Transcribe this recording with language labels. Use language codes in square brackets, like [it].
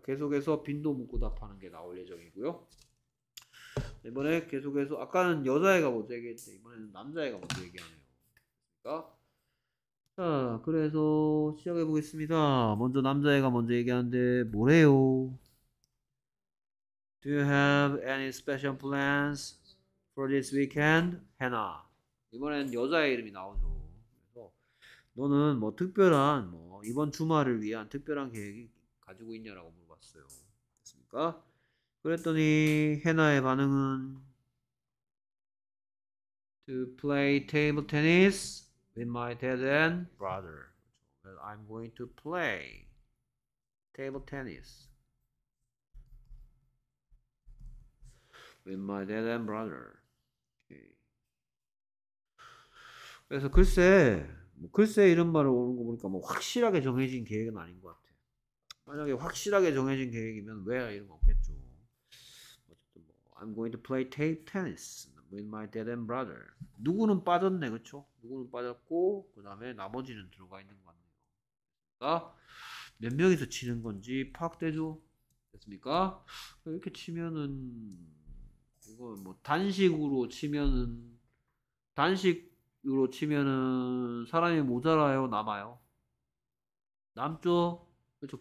[ko] 계속해서 빈도 묻고 답하는 게 나올 예정이고요. 이번에 계속해서 아까는 여자애가 먼저 얘기했는데 이번에는 남자애가 먼저 얘기하네요. 자, 그래서 시작해 보겠습니다. 먼저 남자애가 먼저 얘기하는데 뭐래요? [en] Do you have any special plans for this weekend, Hannah? [ko] 이번엔 여자애 이름이 나오죠. 너는 뭐 특별한 뭐 이번 주말을 위한 특별한 계획이 가지고 있냐라고 물어봤어요. 됐습니까? 그랬더니 헤나의 반응은 [en] To play table tennis with my dad and brother. I'm going to play table tennis with my dad and brother. [ko] 그래서 글쎄. 뭐 글쎄 이런 말을 오는 거 보니까 뭐 확실하게 정해진 계획은 아닌 것 같아. 만약에 확실하게 정해진 계획이면 왜 이런 거 없겠죠. 어쨌든 뭐 [en] I'm going to play table tennis with my dad and brother. [ko] 누구는 빠졌네, 그렇죠? 누구는 빠졌고 그다음에 나머지는 들어가 있는 것 같네요. 그러니까 몇 명이서 치는 건지 파악되죠? 됐습니까? 이렇게 치면은 이거 뭐 단식으로 치면은 단식 으로 치면은 사람이 모자라요, 남아요? 남죠? 그렇죠.